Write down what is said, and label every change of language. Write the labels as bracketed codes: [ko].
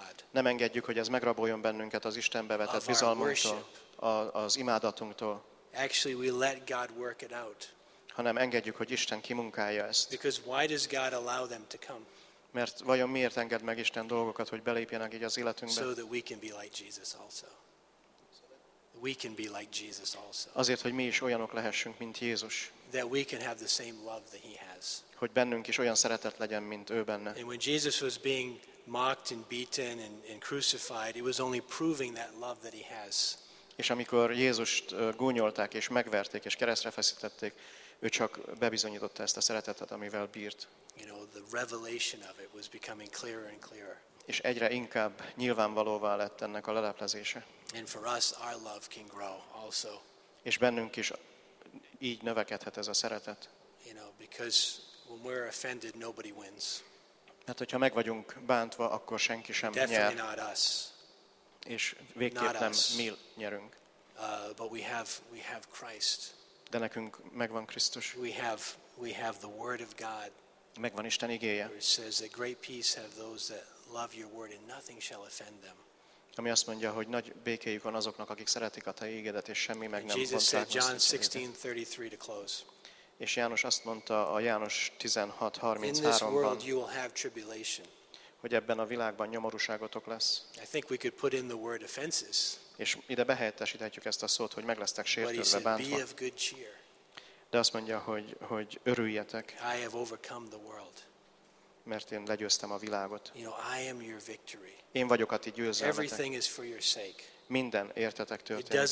[hu] Nem engedjük, hogy ez megraboljon bennünket az Istenbe vetett bizalmunktól, az imádatunktól. [en] Actually, we let God work it out. [hu] Hanem engedjük, hogy Isten kimunkálja ezt. [en] Because why does God allow them to come? [hu] Mert vajon miért enged meg Isten dolgokat, hogy belépjenek így az életünkbe? [en] So that we can be like Jesus also. We can be like Jesus also. [hu] Azért, hogy mi is olyanok lehessünk, mint Jézus. [en] That we can have the same love that he has. [hu] Hogy bennünk is olyan szeretet legyen, mint ő benne. [en] And when Jesus was being mocked and beaten and crucified, it was only proving that love that he has. [hu] És amikor Jézust gúnyolták és megverték és keresztre feszítették, ő csak bebizonyította ezt a szeretetet, amivel bírt. [en] You know, the revelation of it was becoming clearer and clearer. [hu] És egyre inkább nyilvánvalóvá lett ennek a leleplezése. [en] And for us, our love can grow also. [hu] És bennünk is így növekedhet ez a szeretet. [en] You know, because when we're offended, nobody wins. [hu] Mert hogyha meg vagyunk bántva, akkor senki sem nyer. [en] Definitely not us. [hu] És végképp nem mi nyerünk. [en] But we have Christ. [hu] De nekünk megvan Krisztus. [en] We have the word of God. [hu] Megvan Isten igéje. [en] It says that great peace have those that love your word and nothing shall offend them. [hu] Ami azt mondja, hogy nagy békéjük van azoknak, akik szeretik a te ígédet, és semmi meg nem [en] Jesus said John 16:33 to close. [hu] És János azt mondta a János 16:33-ban. [en] In this world you will have tribulation. [hu] hogy ebben a világban nyomorúságotok lesz. [en] I think we could put in the word offenses. [hu] És ide behelyettesíthetjük ezt a szót, hogy meg lesztek sértődve, bántva. [en] Be of good cheer. [hu] De azt mondja, hogy, hogy örüljetek. [en] I have overcome the world. [hu] Mert én legyőztem a világot. [en] You know, I am your victory. [hu] Én vagyok a ti győzelmetek. [en] Everything is for your sake. [hu] Minden értetek történik.